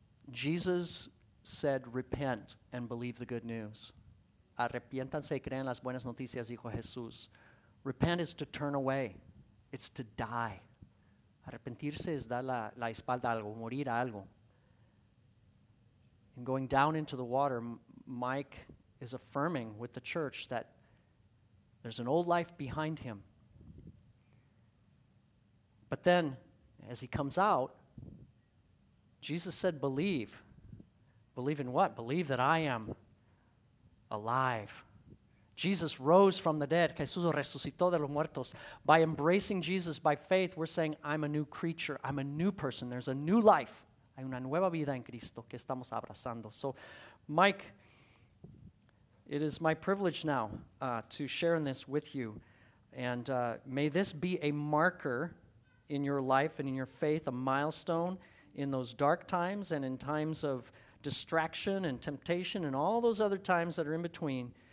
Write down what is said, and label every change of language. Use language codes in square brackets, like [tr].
[en] Jesus said, repent and believe the good news. [es] Arrepiéntanse y crean las buenas noticias, dijo Jesús. [en] Repent is to turn away. It's to die. [es] Arrepentirse es dar la espalda a algo, morir a algo. [en] And going down into the water, Mike is affirming with the church that there's an old life behind him. But then, as he comes out, Jesus said, believe. Believe in what? Believe that I am alive. Jesus rose from the dead. [es] Jesús resucitó de los muertos. [en] By embracing Jesus by faith, we're saying, I'm a new creature. I'm a new person. There's a new life. [es] Hay una nueva vida en Cristo que estamos abrazando. [en] So, Mike, it is my privilege now to share in this with you. And may this be a marker in your life and in your faith, a milestone in those dark times and in times of distraction and temptation and all those other times that are in between.